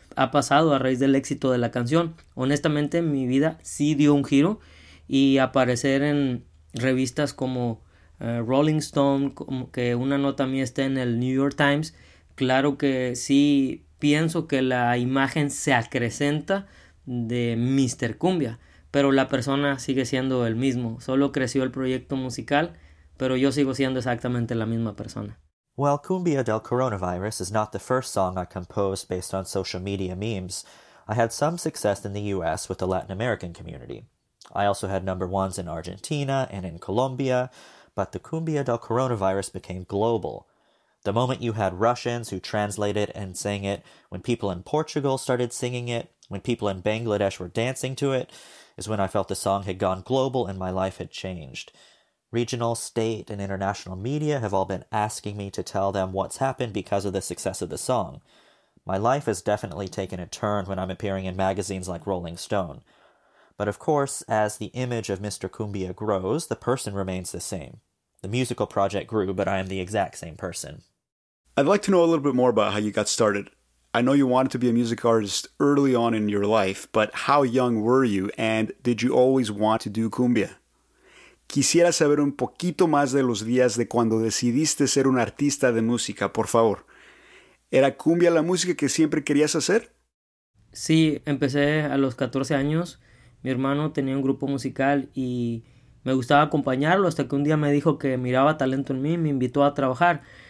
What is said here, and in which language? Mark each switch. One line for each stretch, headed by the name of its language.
Spanish: Ha pasado a raíz del éxito de la canción. Honestamente, mi vida sí dio un giro y aparecer en revistas como Rolling Stone, como que una nota mía esté en el New York Times, claro que sí. Pienso que la imagen se acrecenta de Mister Cumbia, pero la persona sigue siendo el mismo. Solo creció el proyecto musical, pero yo sigo siendo exactamente la misma persona.
English: Well, Cumbia del Coronavirus is not the first song I composed based on social media memes. I had some success in the US with the Latin American community. I also had number ones in Argentina and in Colombia, but the Cumbia del Coronavirus became global. The moment you had Russians who translated and sang it, when people in Portugal started singing it, when people in Bangladesh were dancing to it, is when I felt the song had gone global and my life had changed. Regional, state, and international media have all been asking me to tell them what's happened because of the success of the song. My life has definitely taken a turn when I'm appearing in magazines like Rolling Stone. But of course, as the image of Mr. Cumbia grows, the person remains the same. The musical project grew, but I am the exact same person. I'd like to know a little bit more about how you got started. I know you wanted to be a music artist early on in your life, but how young were you, and did you always want to do cumbia?
Spanish: Quisiera saber un poquito más de los días de cuando decidiste ser un artista de música, por favor. ¿Era cumbia la música que siempre querías hacer? Sí, empecé a los 14 años. Mi hermano tenía un grupo musical y me gustaba acompañarlo hasta que un día me dijo que miraba talento en mí y me invitó a trabajar.